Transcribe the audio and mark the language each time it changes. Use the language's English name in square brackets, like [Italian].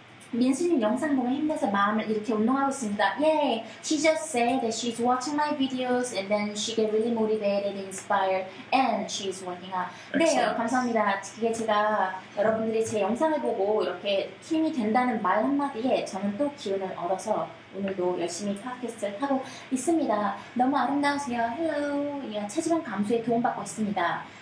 [Korean] 민수님 영상 보면 힘내서 마음을 이렇게 운동하고 있습니다. [English] Yay! She just said that she's watching my videos and then she get really motivated, inspired, and she's working out. Excellent. [Korean] 네, 감사합니다. 이게 제가 여러분들이 제 영상을 보고 이렇게 힘이 된다는 말 한마디에 저는 또 기운을 얻어서 오늘도 열심히 팟캐스트를 하고 있습니다. 너무 아름다우세요. [English] Hello! [Korean] 체지방 감소에 도움받고 있습니다.